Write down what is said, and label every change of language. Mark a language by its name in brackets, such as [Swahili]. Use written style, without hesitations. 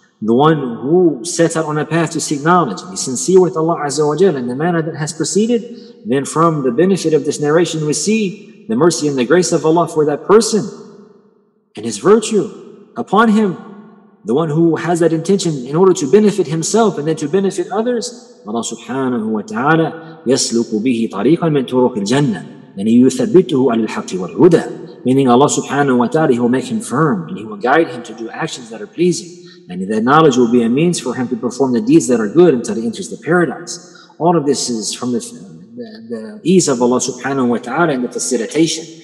[English] The one who sets out on a path to seek knowledge, be sincere with Allah Azza wa Jalla in the manner that has proceeded, then from the benefit of this narration we see the mercy and the grace of Allah for that person and his virtue upon him. The one who has that intention in order to benefit himself and then to benefit others, Allah subhanahu wa ta'ala [Arabic] يَسْلُكُ بِهِ طَرِيقًا مِنْ تُرُوكِ الْجَنَّةِ. [English] And He [Arabic] يُثَبِّتُهُ عَلِ الْحَقِّ وَالْهُدَى. [English] Meaning Allah subhanahu wa ta'ala, He will make him firm and He will guide him to do actions that are pleasing. And that knowledge will be a means for him to perform the deeds that are good until he enters the paradise. All of this is from the ease of Allah subhanahu wa ta'ala and the facilitation.